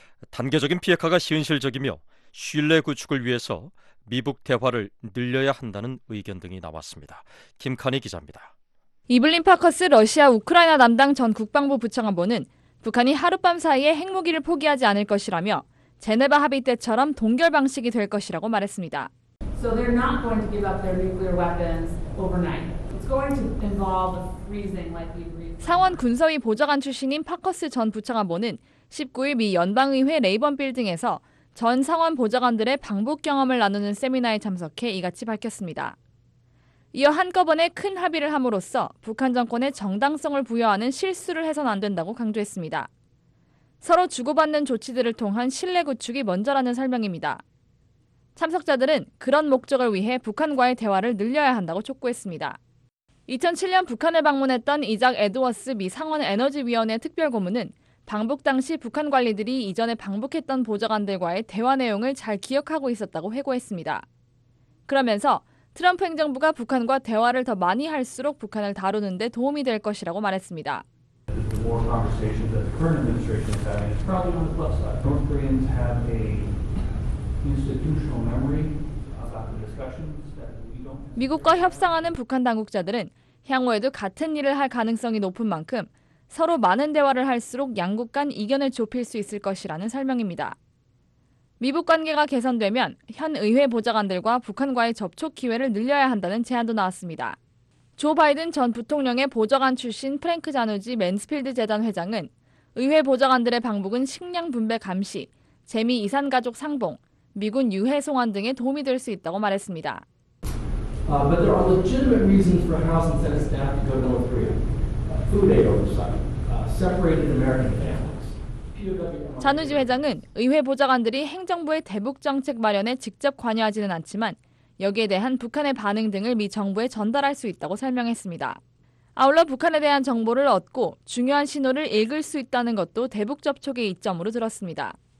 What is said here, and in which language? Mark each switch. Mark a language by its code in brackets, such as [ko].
[ko] 단계적인 비핵화가 현실적이며 신뢰 구축을 위해서 미북 대화를 늘려야 한다는 의견 등이 나왔습니다. 김카니 기자입니다. 이블린 파커스 러시아 우크라이나 담당 전 국방부 부참보는 북한이 하룻밤 사이에 핵무기를 포기하지 않을 것이라며 제네바 합의 때처럼 동결 방식이 될 것이라고 말했습니다. [en] So they're not going to give up their nuclear weapons overnight. It's going to involve freezing like we agreed. [ko] 상원 군사위 보좌관 출신인 파커스 전 부참보는 19일 미 연방의회 레이번 빌딩에서 전 상원 보좌관들의 방북 경험을 나누는 세미나에 참석해 이같이 밝혔습니다. 이어 한꺼번에 큰 합의를 함으로써 북한 정권의 정당성을 부여하는 실수를 해선 안 된다고 강조했습니다. 서로 주고받는 조치들을 통한 신뢰 구축이 먼저라는 설명입니다. 참석자들은 그런 목적을 위해 북한과의 대화를 늘려야 한다고 촉구했습니다. 2007년 북한을 방문했던 이작 에드워스 미 상원 에너지위원회 특별고문은 방북 당시 북한 관리들이 이전에 방북했던 보좌관들과의 대화 내용을 잘 기억하고 있었다고 회고했습니다. 그러면서 트럼프 행정부가 북한과 대화를 더 많이 할수록 북한을 다루는 데 도움이 될 것이라고 말했습니다. [en] war conversations that the current administration is having is probably on the plus side. North Koreans have a institutional memory about the discussions that we don't. [ko] 미국과 협상하는 북한 당국자들은 향후에도 같은 일을 할 가능성이 높은 만큼 서로 많은 대화를 할수록 양국 간 이견을 좁힐 수 있을 것이라는 설명입니다. 미북 관계가 개선되면 현 의회 보좌관들과 북한과의 접촉 기회를 늘려야 한다는 제안도 나왔습니다. 조 바이든 전 부통령의 보좌관 출신 프랭크 자누지 맨스필드 재단 회장은 의회 보좌관들의 방북은 식량 분배 감시, 재미 이산 가족 상봉, 미군 유해 송환 등에 도움이 될 수 있다고 말했습니다. [en] But there are legitimate reasons for House and Senate staff to go to North Korea. Food aid oversight, separated American families. [ko] 자누지 회장은 의회 보좌관들이 행정부의 대북 정책 마련에 직접 관여하지는 않지만 여기에 대한 북한의 반응 등을 미 정부에 전달할 수 있다고 설명했습니다. 아울러 북한에 대한 정보를 얻고 중요한 신호를 읽을 수 있다는 것도 대북 접촉의 이점으로 들었습니다.